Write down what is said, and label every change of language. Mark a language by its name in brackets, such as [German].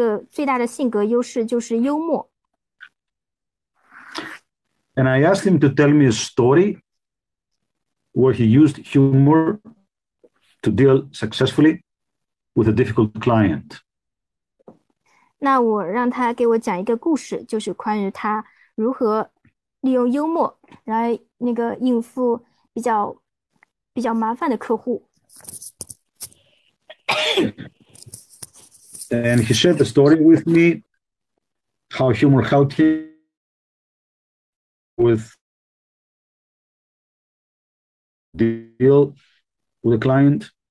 [Chinese] 那有一天就是我辅导了一位，就是一位销售人员，然后他有一个最大的性格优势就是幽默。 [English] And I asked him to tell me a story where he used humor to deal successfully with a difficult client. [Chinese] 那我让他给我讲一个故事，就是关于他如何利用幽默来那个应付比较麻烦的客户。 [English] And he shared the story with me, how humor helped him with deal with a client.